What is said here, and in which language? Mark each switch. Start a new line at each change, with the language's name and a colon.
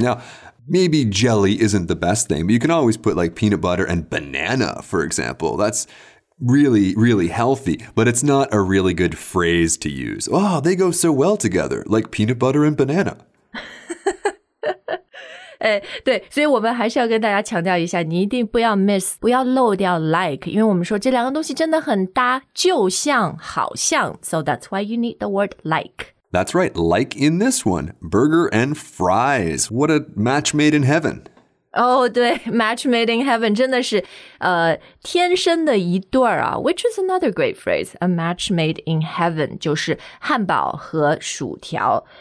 English: Now, maybe jelly isn't the best thing, but you can always put like peanut butter and banana, for example. That's really, really healthy, but it's not a really good phrase to use. Oh, they go so well together, like peanut butter and banana.
Chinese: 哎，对，所以我们还是要跟大家强调一下，你一定不要 miss, 不要漏掉 like, 因为我们说这两个东西真的很搭，就像，好像。
English: So that's why you need the word like. That's right, like in this one, burger and fries. What a match made in heaven.
Chinese: Oh, 对,
English: match made in heaven
Chinese: 真的是天生的一对儿啊。
English: Which is another great phrase, a match made in heaven,
Chinese: 就是汉堡和薯条。